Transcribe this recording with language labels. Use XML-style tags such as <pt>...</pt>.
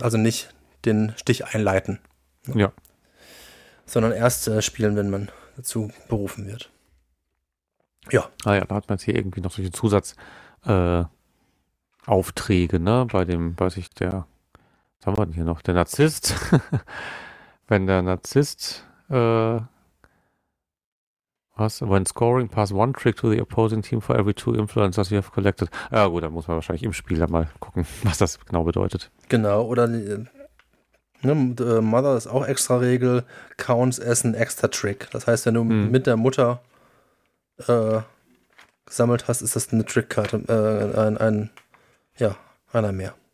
<de>Also nicht den Stich einleiten. Ja. Sondern erst spielen, wenn man dazu berufen wird. Ja. Ah ja, da hat man jetzt hier irgendwie noch solche Zusatzaufträge, ne? Bei dem, weiß ich, der, was haben wir denn hier noch? Der Narzisst. Wenn der Narzisst,</de> <en>when scoring, pass one trick to the opposing team for every two influences you have collected.</en> <de>Ja gut, dann muss man wahrscheinlich im Spiel dann mal gucken, was das genau bedeutet. Genau, oder Mother ist auch extra Regel,</de> <en>counts as an extra trick.</en> <de>Das heißt, wenn du mit der Mutter gesammelt hast, ist das eine Trickkarte, einer mehr.</de>